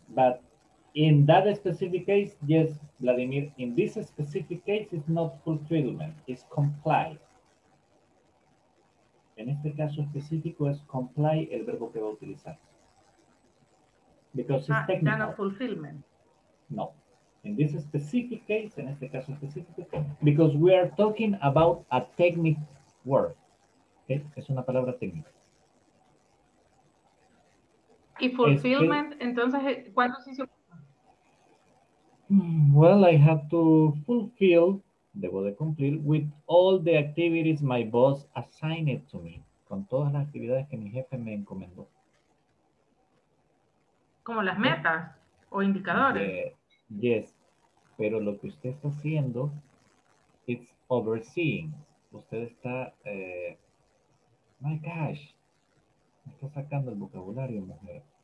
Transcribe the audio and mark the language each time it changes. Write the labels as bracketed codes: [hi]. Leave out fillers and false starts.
[en] But in that specific case, yes, Vladimir, in this specific case, it's not fulfillment, it's comply. [es] En este caso específico es comply el verbo que va a utilizar. [en] Because it's technical. No, fulfillment. No. In this specific case, [es] en este caso específico, [en] because we are talking about a technical word. Okay? [es] Es una palabra técnica. Y fulfillment, entonces, ¿cuándo se hizo? [en] Well, I have to fulfill, [es] debo de cumplir, [en] with all the activities my boss assigned to me. [es] Con todas las actividades que mi jefe me encomendó. Como las metas o indicadores. [en] Yes. [es] Pero lo que usted está haciendo, [en] it's overseeing. [es] Usted está, [en] my gosh, [es] está sacando el vocabulario, mujer.